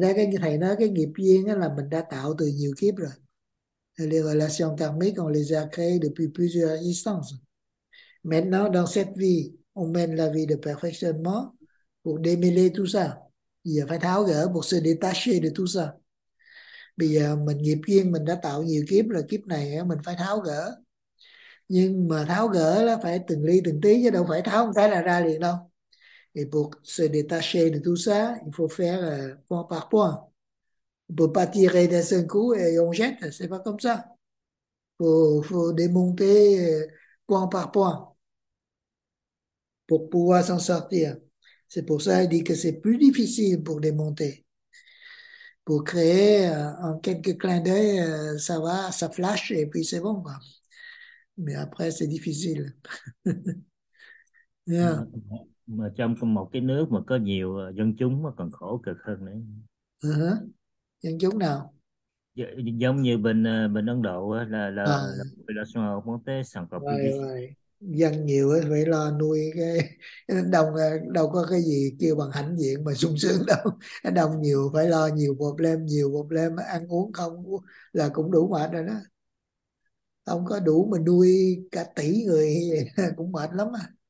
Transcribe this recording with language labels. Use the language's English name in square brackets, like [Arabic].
[Vietnamese] nói cái thầy nói cái nghiệp duyên là mình đã tạo từ nhiều kiếp rồi. [French] Les relations karmiques, on les a créées depuis plusieurs instances. Maintenant, dans cette vie, on mène la vie de perfectionnement pour démêler tout ça. Il faut [Vietnamese] tháo gỡ [French] pour se détacher de tout ça. [Vietnamese] Bây giờ mình nghiệp duyên mình đã tạo nhiều kiếp rồi, kiếp này mình phải tháo gỡ. Nhưng mà tháo gỡ là phải từng ly từng tí chứ đâu phải tháo một cái là ra liền đâu. [French] Et pour se détacher de tout ça, il faut faire point par point. On ne peut pas tirer d'un seul coup et on jette, ce n'est pas comme ça. Il faut démonter point par point pour pouvoir s'en sortir. C'est pour ça qu'il dit que c'est plus difficile pour démonter. Pour créer en quelques clins d'œil, ça va, ça flash et puis c'est bon, quoi. Mais après, c'est difficile. [English] Yeah. [Vietnamese] Mà trong một cái nước mà có nhiều dân chúng mà còn khổ cực hơn nữa. Dân chúng nào? Giống như bên bên Ấn Độ là [English] Right. [Vietnamese] dân nhiều ấy, phải lo nuôi cái đông, đâu có cái gì kêu bằng hãnh diện mà sung sướng đâu, đông nhiều phải lo nhiều problem, ăn uống không là cũng đủ mệt rồi đó, không có đủ mà nuôi cả tỷ người cũng mệt lắm à.